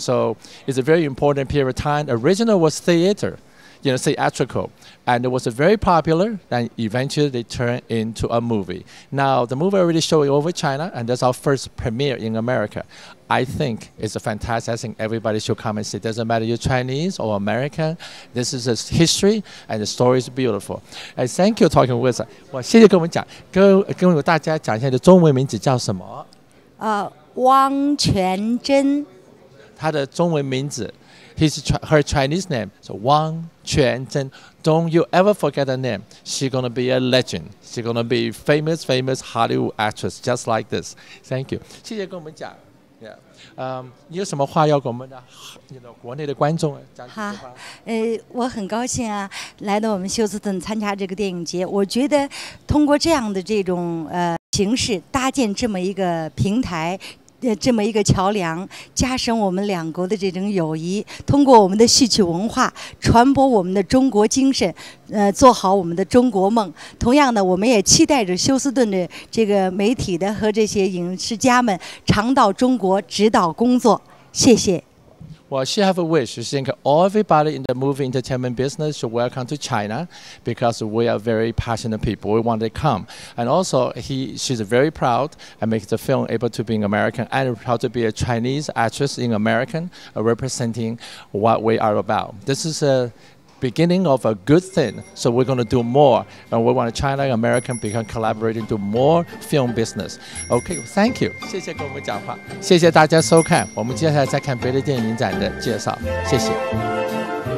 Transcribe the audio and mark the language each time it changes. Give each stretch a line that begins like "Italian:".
English: So it's a very important period of time. Original was theater, theatrical, and it was very popular, and eventually they turned into a movie. Now the movie already showed over China, and that's our first premiere in America. I think it's a fantastic. I think everybody should come and see. Doesn't matter you're Chinese or American, this is a history, and the story is beautiful. And thank you talking with us.
Chinese: 我谢谢跟我们讲，跟大家讲一下你的中文名字叫什么？汪全真。她的中文名字。
English: Her Chinese name is Wang Quanzhen. Don't you ever forget the name. She's going to be a legend. She's going to be a famous, famous Hollywood actress just like this. Thank you.
Chinese: 谢谢跟我们讲。你有什么话要跟我们的国内的观众讲？我很高兴啊，来到我们休斯顿参加这个电影节。我觉得通过这样的这种形式搭建这么一个平台，这么一个桥梁，加深我们两国的这种友谊，通过我们的戏曲文化传播我们的中国精神，做好我们的中国梦。同样的，我们也期待着休斯顿的这个媒体的和这些影视家们常到中国指导工作。谢谢。
English: Well, she have a wish. She think all everybody in the movie entertainment business should welcome to China because we are very passionate people. We want to come. And also, she's very proud and makes the film able to be an American and proud to be a Chinese actress in American representing what we are about. This is a beginning of a good thing. So we're going to do more. And we want China and American become collaborating to more film business. Okay, thank you.
Chinese: 谢谢跟我们讲话。谢谢大家收看。我们接下来再看别的电影展的介绍。谢谢。